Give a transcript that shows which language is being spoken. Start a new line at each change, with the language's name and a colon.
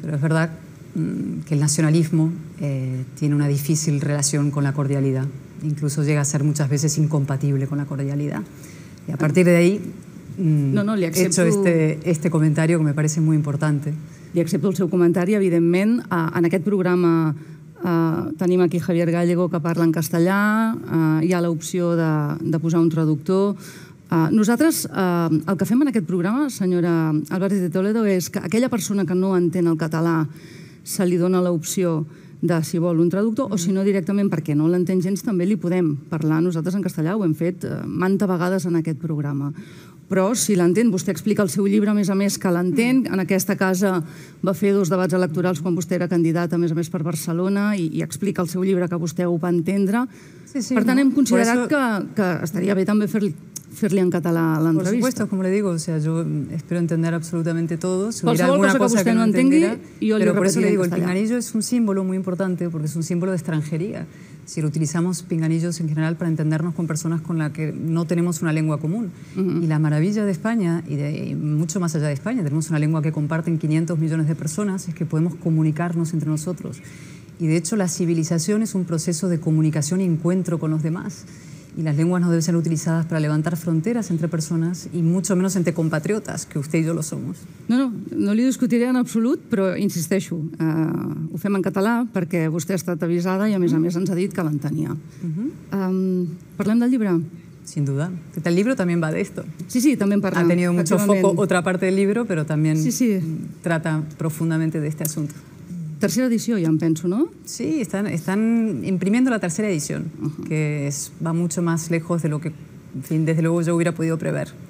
Spanish: Pero es verdad que el nacionalismo tiene una difícil relación con la cordialidad, incluso llega a ser muchas veces incompatible con la cordialidad. Y a partir de ahí, he hecho este comentario que me parece muy importante.
Catalan: Li accepto el seu comentari, evidentment, en aquest programa. Tenim aquí Javier Gallego, que parla en castellà, hi ha l'opció de posar un traductor. Nosaltres el que fem en aquest programa, senyora Álvarez de Toledo, és que aquella persona que no entén el català se li dona l'opció de si vol un traductor, o si no directament, perquè no l'entén gens, també li podem parlar nosaltres en castellà, ho hem fet manta vegades en aquest programa. Però si l'entén, vostè explica el seu llibre, a més que l'entén, en aquesta casa va fer dos debats electorals quan vostè era candidat, a més per Barcelona, i explica el seu llibre que vostè ho va entendre. Sí, sí, per tant, hem considerat que estaria bé també fer-li en català l'entrevista.
Spanish: Por supuesto, como le digo, o sea, yo espero entender absolutamente todo.
Catalan: Si qualsevol cosa que vostè no entengui, jo li repetiré en castellà.
Spanish: El pinganillo es un símbolo muy importante porque es un símbolo de extranjería. Si lo utilizamos pinganillos en general para entendernos con personas con las que no tenemos una lengua común. Uh-huh. Y la maravilla de España, y mucho más allá de España, tenemos una lengua que comparten 500 millones de personas, es que podemos comunicarnos entre nosotros. Y de hecho la civilización es un proceso de comunicación y encuentro con los demás. Y las lenguas no deben ser utilizadas para levantar fronteras entre personas y mucho menos entre compatriotas, que usted y yo lo somos.
Catalan: No li discutiré en absolut, però insisteixo, ho fem en català perquè vostè ha estat avisada i a més ens ha dit que l'entenia. Uh-huh. Parlem del llibre.
Spanish: Sin duda. El libro también va de esto. Sí, sí, también parla. Ha tenido mucho foco otra parte del libro, pero también sí, sí, trata profundamente de este asunto. Tercera edición, ya pienso, ¿no? Sí, están imprimiendo la tercera edición, uh-huh, que va mucho más lejos de lo que, en fin, desde luego yo hubiera podido prever.